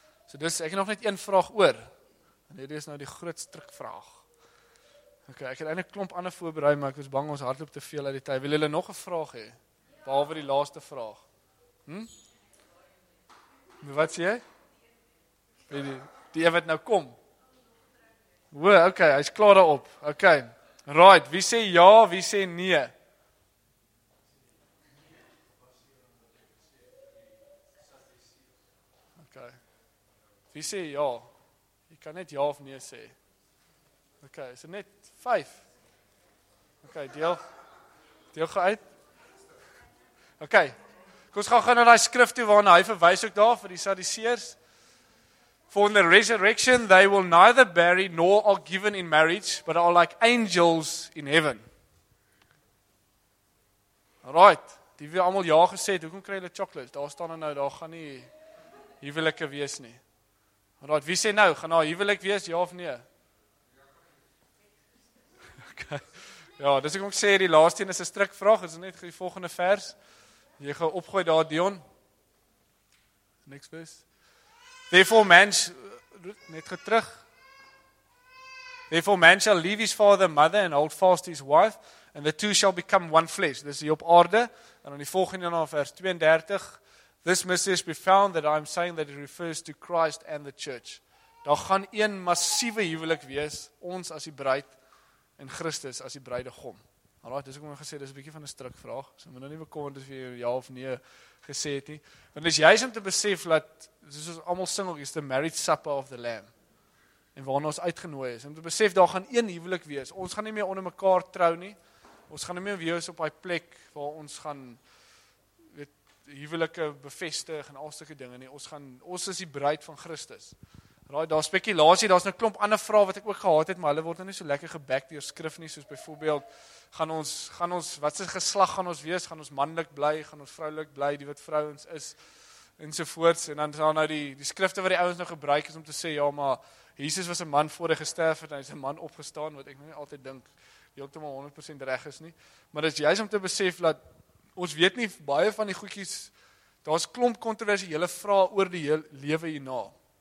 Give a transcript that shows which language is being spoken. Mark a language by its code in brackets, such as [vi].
[af] So dus, ek het nog net een vraag oor, en dit is nou die grootstrik vraag. Ok, ek het eindelijk klomp ander voorbereid, maar ek was bang ons hardloop te veel uit die tyd. Wil julle nog een vraag hê? Behalwe die laaste vraag. Wat sê jy? Die wat nou kom. Woe, ok, hy is klaar daarop. Ok, right, wie sê ja, wie sê nee? Ok, wie sê ja? Jy kan net ja of nee sê. Ok, is dit net 5? Ok, deel gaan uit. Ok, ons gaan naar die skrif toe, waarna hy verwys ook daar vir die Sadduseërs. [en] For in the resurrection they will neither bury nor are given in marriage, but are like angels in heaven. [af] Right, die wie allemaal ja gesê het, hoekom kry hulle chocolate? Daar staan nou, daar gaan nie huwelike wees nie. Right, wie sê nou, gaan nou huwelik wees, ja of nee? Okay. Ja, dus ek moet sê, die laaste is een strik vraag, is net die volgende vers. Jy gaan opgooi daar, Dion. [en] Next verse. Therefore man shall leave his father and mother and hold fast his wife, and the two shall become one flesh. This is [af] op aarde, [en] and on [af] die volgende vers [en] 32, this message be found that I am saying that it refers to Christ and the church. [af] Daar gaan een massieve huwelik wees, ons as die bruid, en Christus as die bruidegom. Alright, dis ook my gesê, dis een bietjie van een strik vraag, so my nou nie bekommerd as jy ja of nee gesê het nie. Want dis juist om te besef dat, dis is allemaal singeltjies, [en] the marriage supper of the lamb. [af] en waarna ons uitgenooi is. Om te besef, daar gaan een huwelik wees. Ons gaan nie meer onder mekaar trou nie. Ons gaan nie meer wees op die plek waar ons gaan huwelike bevestig en alstukke dinge nie. Ons is die bruid van Christus. Right, daar is spekulasie, daar is nou klomp ander vrae wat ek ook gehad het, maar hulle word nou nie so lekker gebek deur skrif nie, soos byvoorbeeld, gaan ons, wat se geslag gaan ons wees, gaan ons manlik bly, gaan ons vroulik bly, die wat vrouens is, ensovoorts, en dan is nou die skrifte wat die ouens nou gebruik is om te sê, ja, maar Jesus was 'n man voor hy gesterf het, en hy is 'n man opgestaan, wat ek nou nie altyd dink, heeltemal 100% reg is nie, maar dit is juist om te besef, dat ons weet nie, baie van die goedjies, daar is klomp controversiële vrae oor die lewe hierna.